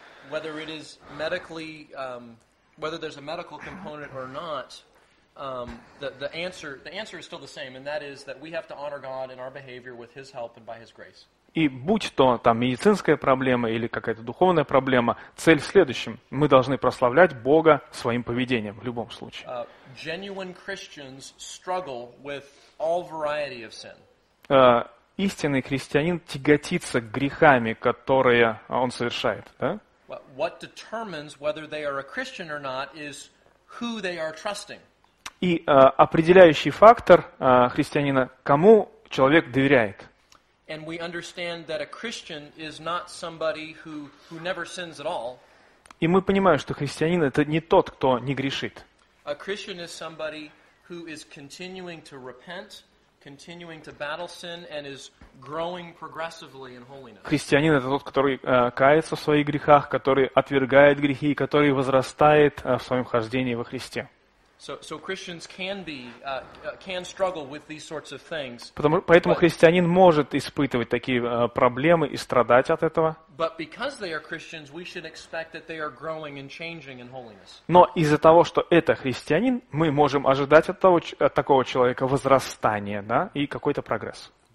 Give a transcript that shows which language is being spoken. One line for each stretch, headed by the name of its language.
English: Whether it is medically, whether there's a medical component or not, the answer is still the same, and that is that we have to honor God in our behavior with His help and by His grace.
Russian: И будь то там медицинская проблема или какая-то духовная проблема, цель в следующем. Мы должны прославлять Бога своим поведением в любом случае.
English: Genuine Christians struggle with all variety of sin.
Russian: Истинный христианин тяготится грехами, которые он совершает, да?
English: What determines whether they are a Christian or not is who they are trusting.
Russian: И определяющий фактор христианина, кому человек доверяет.
English: And we understand that a Christian is not somebody who never sins at all.
Russian: И мы понимаем, что христианин это не тот, кто не грешит.
English: A Christian is somebody who is continuing to repent, continuing to battle sin and is growing progressively in holiness.
Russian: Христианин это тот, который кается в своих грехах, который отвергает грехи и который возрастает в своем хождении во Христе.
English: So Christians can struggle with these sorts of things.
Russian: Поэтому христианин может испытывать такие проблемы и страдать от этого.
English: But because they are Christians, we should expect that they are growing and changing in holiness.
Russian: Но из-за того, что это христианин, мы можем ожидать от такого человека возрастания, да, и какой-то прогресс.